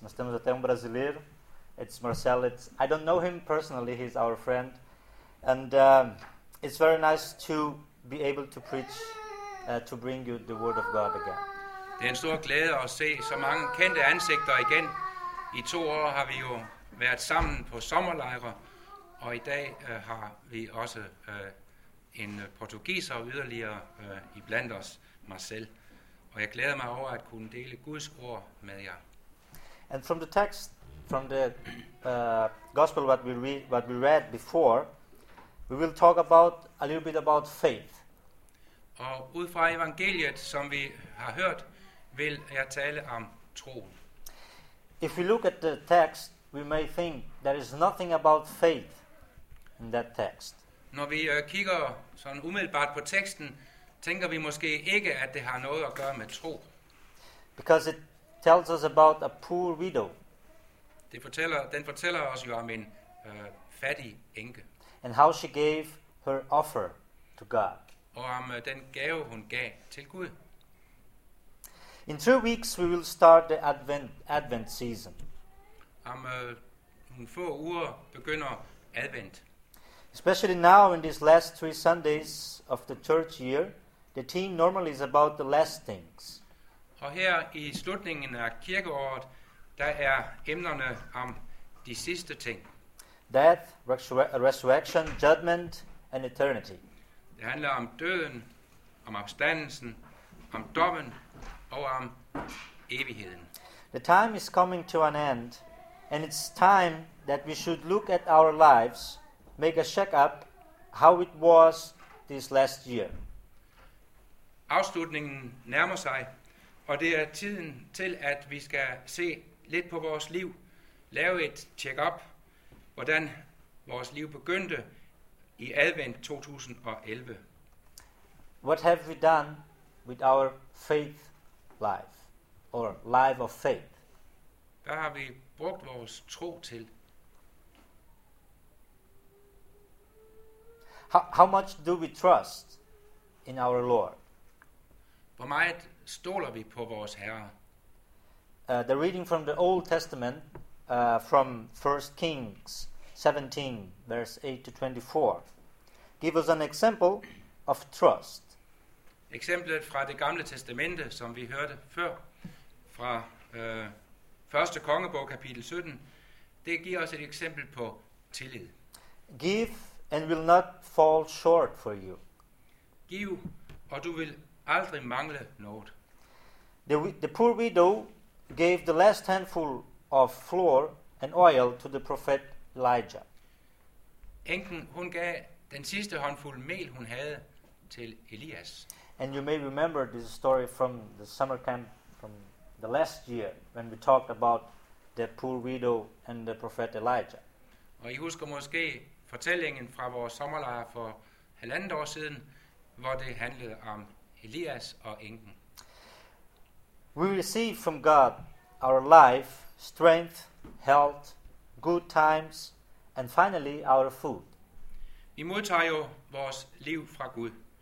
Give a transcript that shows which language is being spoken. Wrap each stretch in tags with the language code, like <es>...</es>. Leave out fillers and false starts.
<pt>Nós temos até brasileiro.</pt> <en>It's Marcel. I don't know him personally. He's our friend, and it's very nice to be able to preach to bring you the Word of God again.</en> <da>Det er en stor glæde at se så mange kendte ansigter igen. I 2 år har vi jo været sammen på sommerlejre. Og i dag har vi også en portugiser yderligere iblandt os, Marcel. Og jeg glæder mig over at kunne dele Guds ord med jer.</da> <en>And from the text, from the gospel what we read before, we will talk about a little bit about faith.</en> <da>Og ud fra evangeliet, som vi har hørt, vil jeg tale om tro.</da> <en>If we look at the text, we may think there is nothing about faith. in that text.</en> <da>Når vi kigger sådan umiddelbart på teksten, tænker vi måske ikke, at det har noget at gøre med tro.</da> <en>Because it tells us about a poor widow.</en> <da>Den fortæller os jo om en fattig enke.</da> <en>And how she gave her offer to God.</en> <da>Og om den gave hun gav til Gud.</da> <en>In 2 weeks we will start the Advent season.</en> <da>Om nogle få uger begynder Advent.</da> <en>Especially now in these last 3 Sundays of the church year, the theme normally is about the last things.</en> <da>Og her i slutningen af kirkeåret, der er emnerne om de sidste ting.</da> <en>Death, resurrection, judgment and eternity.</en> <da>Det handler om døden, om opstandelsen, om dommen og om evigheden.</da> <en>The time is coming to an end, and it's time that we should look at our lives, make a check-up how it was this last year.</en> <da>Afslutningen nærmer sig, og det er tiden til, at vi skal se lidt på vores liv, lave et check-up, hvordan vores liv begyndte i Advent 2011.</da> <en>What have we done with our faith life, or life of faith?</en> <da>Hvad har vi brugt vores tro til?</da> <en>How much do we trust in our Lord?</en> <da>Hvor meget stoler vi på vores Herre?</da> <en>The reading from the Old Testament, from 1 Kings 17, verse 8 to 24, give us an example of trust.</en> <da>Eksemplet fra det gamle testamente, som vi hørte før, fra 1. Kongebog, kapitel 17, det giver os et eksempel på tillid.</da> <en>Give and will not fall short for you.</en> <da>Giv, og du vil aldrig mangle noget.</da> <en>The poor widow gave the last handful of flour and oil to the prophet Elijah.</en> <da>Enken, hun gav den sidste håndfuld mel hun havde til Elias.</da> <en>And you may remember this story from the summer camp from the last year when we talked about the poor widow and the prophet Elijah.</en> <da>Og I husker måske fortællingen fra vores sommerlejr for 1,5 år siden, hvor det handlede om Elias og enken.</da> <en>We receive from God our life, strength, health, good times, and finally our food.</en> <da>Vi modtager jo vores liv fra Gud.</da>